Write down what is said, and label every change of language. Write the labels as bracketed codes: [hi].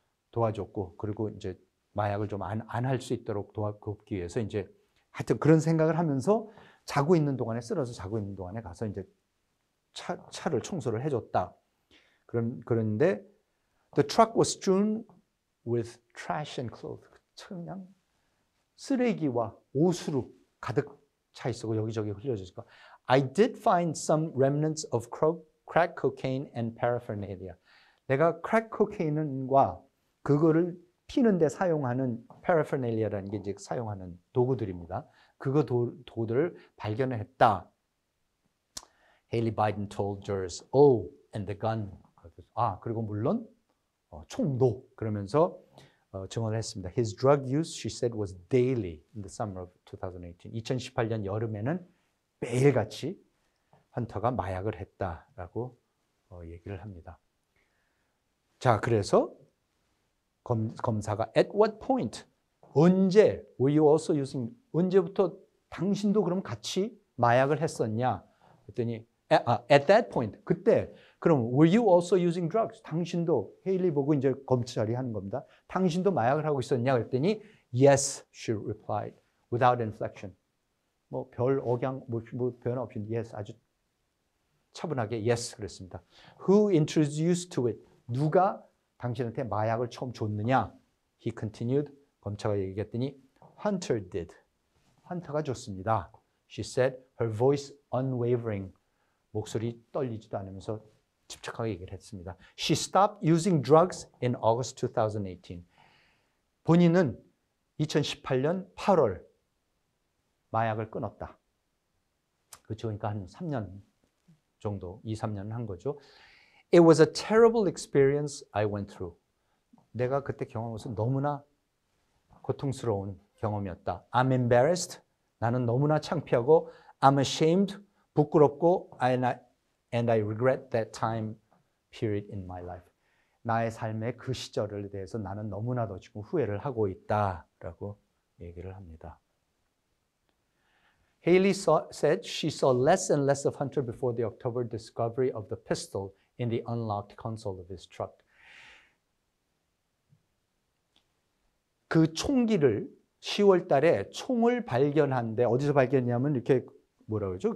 [ko] 도와줬고 그리고 이제 마약을 좀 안 할 수 있도록 돕기 위해서 이제 하여튼 그런 생각을 하면서 자고 있는 동안에 쓰러져 자고 있는 동안에 가서 이제 차를 청소를 해줬다 그런데 [en] the truck was strewn with trash and clothes. [ko] 그냥 쓰레기와 옷으로 가득 차 있었고 여기저기 흘려져 있고. [en] I did find some remnants of crack cocaine and paraphernalia. [ko] 내가 crack cocaine과 그거를 피는데 사용하는 paraphernalia라는 게 이제 사용하는 도구들입니다. 그거 도구들을 발견을 했다. [en] Haley Biden told jurors, oh, and the gun. [ko] 아, 그리고 물론 총도 그러면서 증언을 했습니다. [en] His drug use, she said, was daily in the summer of 2018. [ko] 2018년 여름에는 매일같이 헌터가 마약을 했다라고 얘기를 합니다. 자, 그래서 검사가 [en] at what point, [ko] 언제, [en] were you also using, [ko] 언제부터 당신도 그럼 같이 마약을 했었냐? 그랬더니 [en] at that point, [ko] 그때, 그럼 [en] were you also using drugs? [ko] 당신도, 헤일리 보고 이제 검찰이 하는 겁니다. 당신도 마약을 하고 있었냐? 그랬더니 [en] yes, she replied, without inflection. [ko] 뭐 별 억양, 뭐 변화 없이 yes, 아주 차분하게 yes, 그랬습니다. [en] Who introduced to it? [ko] 누가 당신한테 마약을 처음 줬느냐? [en] He continued, [ko] 검찰이 얘기했더니 [en] Hunter did. [ko] 헌터가 줬습니다. [en] She said, her voice unwavering. [ko] 목소리 떨리지도 않으면서 집착하게 얘기를 했습니다. [en] She stopped using drugs in August 2018. [ko] 본인은 2018년 8월 마약을 끊었다. 그렇죠? 그러니까 한 3년 정도, 2, 3년 한 거죠. [en] It was a terrible experience I went through. [ko] 내가 그때 경험한 것은 너무나 고통스러운 경험이었다. [en] I'm embarrassed. [ko] 나는 너무나 창피하고 [en] I'm ashamed. [ko] 부끄럽고 [en] and I regret that time period in my life. [ko] 나의 삶의 그 시절에 대해서 나는 너무나도 지금 후회를 하고 있다라고 얘기를 합니다. [en] Haley said she saw less and less of Hunter before the October discovery of the pistol in the unlocked console of his truck. [ko] 그 총기를 10월 달에 총을 발견한데 어디서 발견했냐면 이렇게 뭐라고 그러죠?